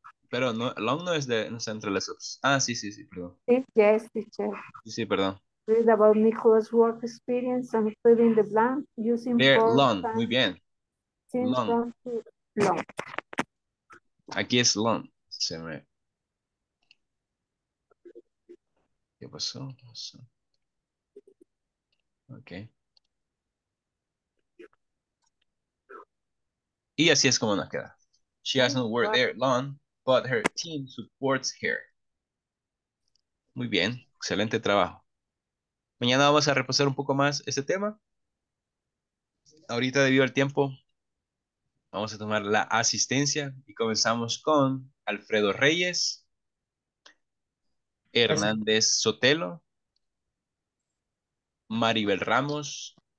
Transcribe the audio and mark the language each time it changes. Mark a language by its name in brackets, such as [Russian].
[Spanish] Pero no, long no es de, no sé, entre las dos. Ah, sí, perdón. [English] Yes, teacher. [Spanish] Sí, perdón. [English] Read about Nicholas' work experience and filling the blank using there, long. [Spanish] Muy bien. [English] Long. [Spanish] No. Aquí es long. Se me... ¿Qué pasó? Okay. Y así es como nos queda. [English] She has no word there long, but her team supports her. [Spanish] Muy bien. Excelente trabajo. Mañana vamos a repasar un poco más este tema. Ahorita, debido al tiempo, vamos a tomar la asistencia y comenzamos con Alfredo Reyes, Hernández Sotelo, Maribel Ramos,